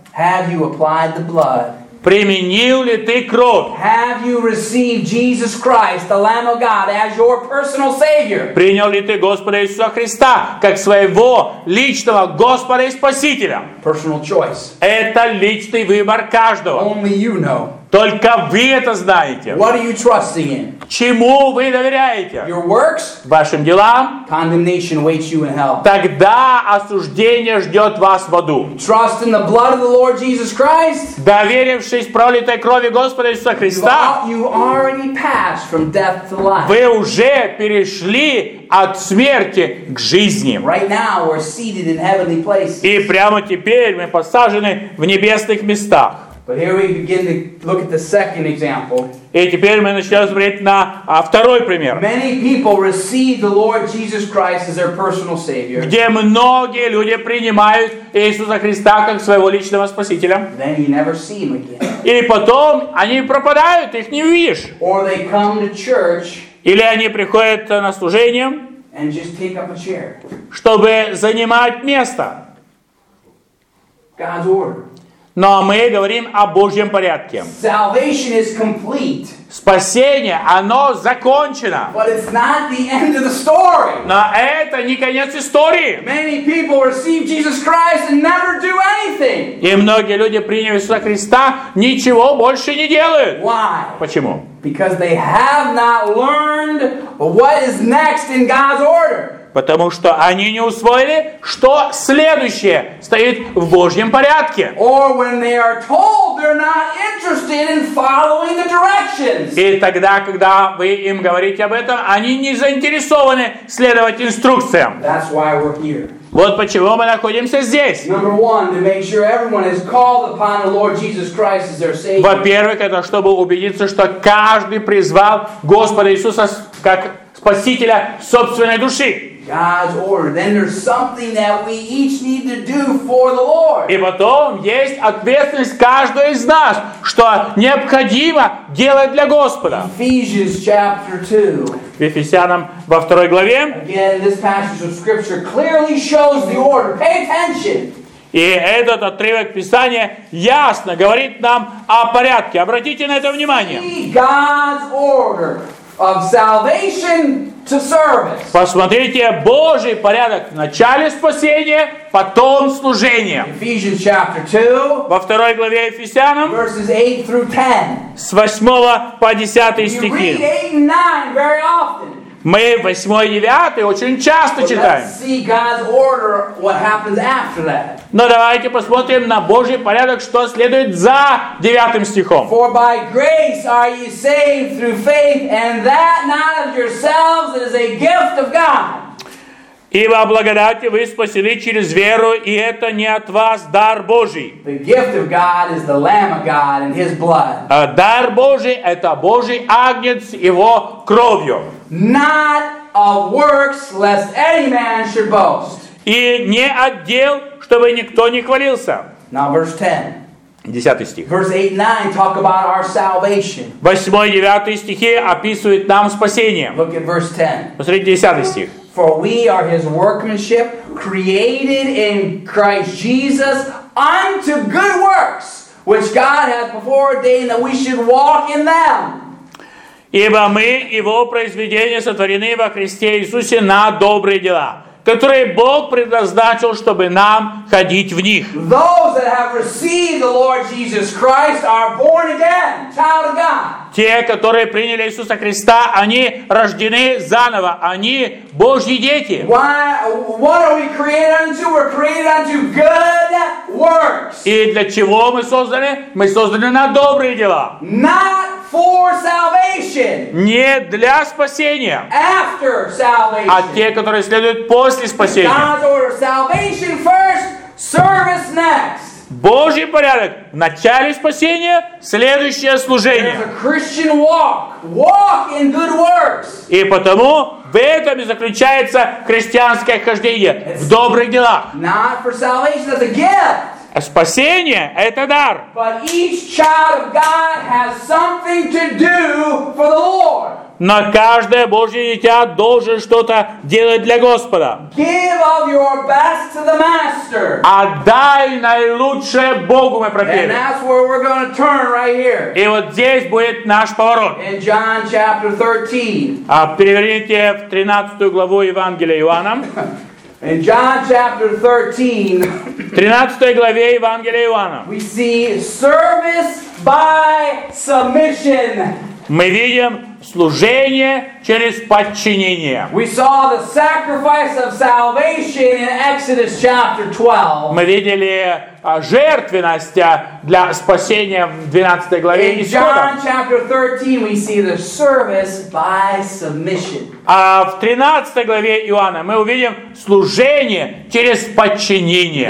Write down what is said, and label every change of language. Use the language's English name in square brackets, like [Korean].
[English] Have you applied the blood? [Russian] Применил ли ты кровь? [English] Have you received Jesus Christ, the Lamb of God, as your personal Savior? [Russian] Принял ли ты Господа Иисуса Христа как своего личного Господа и Спасителя? [English] Personal choice. [Russian] Это личный выбор каждого. [English] Only you know. [Russian] Только вы это знаете. [English] What are you trusting in? [Russian] Чему вы доверяете? [English] Your works? [Russian] Вашим делам? [English] Condemnation waits you in hell. [Russian] Тогда осуждение ждет вас в аду. [English] Trust in the blood of the Lord Jesus Christ? [Russian] Доверившись пролитой крови Господа Иисуса Христа, [English] you already passed from death to life. [Russian] Вы уже перешли от смерти к жизни. [English] Right now we're seated in heavenly places. [Russian] И прямо теперь мы посажены в небесных местах. [English] But here we begin to look at the second example. [Russian] И теперь мы начнем смотреть на второй пример. [English] Many people receive the Lord Jesus Christ as their personal Savior. [Russian] Где многие люди принимают Иисуса Христа как своего личного спасителя. [English] Then you never see him again. [Russian] Или потом они пропадают, их не видишь. [English] Or they come to church. [Russian] Или они приходят на служение. [English] And just take up a chair. [Russian] Чтобы занимать место. [English] God's order. [Russian] Но мы говорим о Божьем порядке. [English] Salvation is complete. [Russian] Спасение, оно закончено. [English] But it's not the end of the story. [Russian] Но это не конец истории. [English] Many people receive Jesus Christ and never do anything. [Russian] И многие люди приняли Иисуса Христа, ничего больше не делают. [English] Why? [Russian] Почему? [English] Because they have not learned what is next in God's order. [Russian] Потому что они не усвоили, что следующее стоит в Божьем порядке. И тогда, когда вы им говорите об этом, они не заинтересованы следовать инструкциям. [English] That's why we're here. [Russian] Вот почему мы находимся здесь. [English] Number one, to make sure everyone is called upon the Lord Jesus Christ as their Savior. [Russian] Во-первых, это чтобы убедиться, что каждый призвал Господа Иисуса как Спасителя собственной души. [English] God's order. Then there's something that we each need to do for the Lord. [Russian] И потом есть ответственность каждого из нас, что необходимо делать для Господа. [English] Ephesians chapter 2. [Russian] В Ефесянам во второй главе. [English] Again, this passage of scripture clearly shows the order. Pay attention. [Russian] И этот отрывок Писания ясно говорит нам о порядке. Обратите на это внимание. [English] See God's order of salvation. To service. [Russian] Посмотрите, Божий порядок в начале спасения, потом служение. [English] Ephesians chapter 2, [Russian] во второй главе Ефесянам, [English] verses 8 through 10. [Russian] С 8 по 10 стихи. [English] We read 8 and 9 very often. [Russian] Мы 8 и 9 очень часто читаем. [English] Let's see God's order, what happens after that. [Russian] Но давайте посмотрим на Божий порядок, что следует за 9 стихом. [English] For by grace are ye saved through faith, and that not of yourselves, it is a gift of God. [Russian] Ибо благодати вы спасены через веру, и это не от вас, дар Божий. [English] The gift of God is the Lamb of God and His blood. [Russian] Дар Божий – это Божий Агнец с Его кровью. [English] Not of works, lest any man should boast. [Russian] И не от дел, чтобы никто не хвалился. [English] Now verse 10. [Russian] 10 стих. [English] Verse 8 and 9 talk about our salvation. [Russian] 8 и 9 стихи описывают нам спасение. [English] Look at verse 10. [Russian] Посмотрите 10 стих. [English] For we are His workmanship, created in Christ Jesus unto good works, which God hath before ordained that we should walk in them. [Russian] Ибо мы Его произведения сотворены во Христе Иисусе на добрые дела, которые Бог предназначил, чтобы нам ходить в них. [English] Those that have received the Lord Jesus Christ are born again, child of God. [Russian] Те, которые приняли Иисуса Христа, они рождены заново, они Божьи дети. [English] Why, what are we created unto? We're created unto good works. [Russian] И для чего мы созданы? Мы созданы на добрые дела. [English] Not for salvation. [Russian] Не для спасения. [English] After salvation. [Russian] А те, которые следуют после спасения. [English] God's order, salvation first, service next. [Russian] Божий порядок. В начале спасения следующее служение. [English] There's a Christian walk. Walk in good works. [Russian] И потому в этом и заключается христианское хождение. [English] It's [Russian] в добрых делах. [English] Not for salvation, that's a gift. [Russian] Спасение – это дар. [English] But each child of God has something to do for the Lord. [Russian] Но каждое Божье дитя должен что-то делать для Господа. [English] Give of your best to the Master. [Russian] Отдай наилучшее Богу, мы пропели. [English] And that's where we're going to turn right here. [Russian] И вот здесь будет наш поворот. [English] In John chapter 13. [Russian] А переверните в 13 главу Евангелия Иоанна. [English] In John chapter 13, [Russian] 13 главе Евангелия Иоанна, [English] we see service by submission. [Russian] Мы видим служение через подчинение. [English] We saw the sacrifice of salvation in Exodus chapter 12. [Russian] Мы видели жертвенность для спасения в 12 главе Исхода. [English] In John chapter 13 we see the service by submission. [Russian] А в 13 главе Иоанна мы увидим служение через подчинение.